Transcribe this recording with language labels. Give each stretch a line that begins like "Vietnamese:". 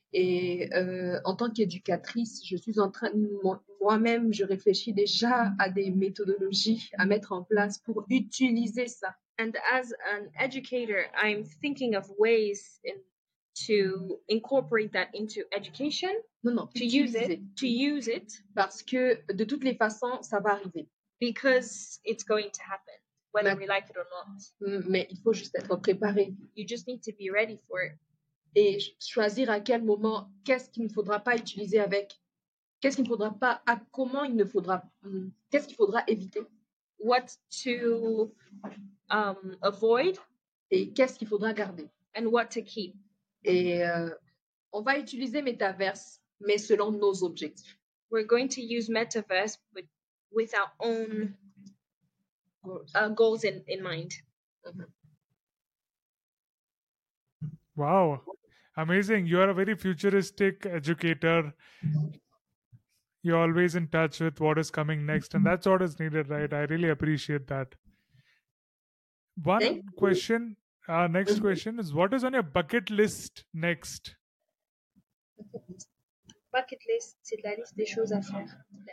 French: Et en tant qu'éducatrice, je suis en train, moi-même, je réfléchis déjà à des méthodologies à mettre en place pour utiliser ça.
English: And as an educator, I'm thinking of ways to incorporate that into education.
French: Non,
English: to use it. To use it.
French: Parce que de toutes les façons, ça va arriver.
English: Because it's going to happen, whether we like it or not.
French: Mais il faut juste être préparé.
English: You just need to be ready for it.
French: Et choisir à quel moment, qu'est-ce qu'il ne faudra pas utiliser avec, qu'est-ce qu'il ne faudra pas, à comment il ne faudra, qu'est-ce qu'il faudra éviter.
English: What to avoid.
French: Et qu'est-ce qu'il faudra garder.
English: And what to keep.
French: Et on va utiliser Metaverse, mais selon nos objectifs.
English: We're going to use Metaverse with our own goals in mind. Wow. Amazing. You are a very futuristic educator. You're always in touch with what is coming next, and that's what is needed, right? I really appreciate that. One question, next question is, what is on your bucket list next?
French: Bucket list, c'est la liste des choses à faire.